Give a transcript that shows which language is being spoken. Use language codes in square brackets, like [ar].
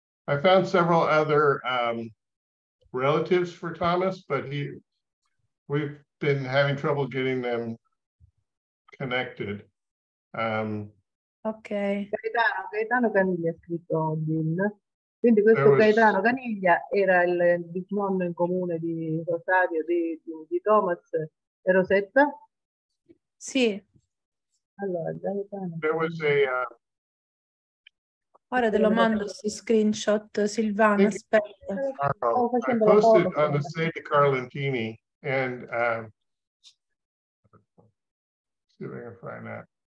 [en] I found several other relatives for Thomas, but we've been having trouble getting them connected. Okay. [it] Gaetano Caniglia ha scritto Dean. Quindi questo Gaetano Caniglia era il bisnonno in comune di Rosario, di Thomas e Rosetta? Sì. Allora, Gaetano. Ora te lo mando su screenshot, Silvana, aspetta. [en] I posted on the site Carlentini and see if I can find that.